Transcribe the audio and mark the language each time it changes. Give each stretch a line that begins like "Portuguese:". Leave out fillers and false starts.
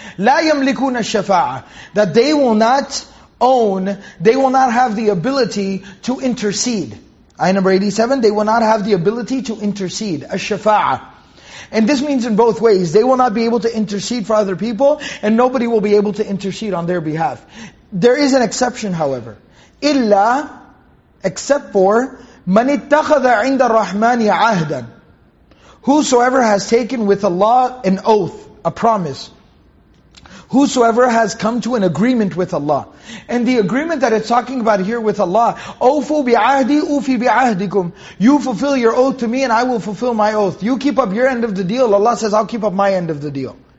Arabic: لا يملكون الشفاعة,
English: that they will not own, they will not have the ability to intercede. Ayah number 87, they will not have the ability to intercede.
Arabic: الشفاعة.
English: And this means in both ways, they will not be able to intercede for other people and nobody will be able to intercede on their behalf. There is an exception, however.
Arabic: إِلَّا,
English: except for,
Arabic: مَنِ اتَّخَذَ عِنْدَ الرَّحْمَنِ عَهْدًا.
English: Whosoever has taken with Allah an oath, a promise. Whosoever has come to an agreement with Allah. And the agreement that it's talking about here with Allah,
Arabic: أَوْفُ بِعَهْدِي أُوفِي بِعَهْدِكُمْ.
English: You fulfill your oath to me and I will fulfill my oath. You keep up your end of the deal, Allah says, I'll keep up my end of the deal.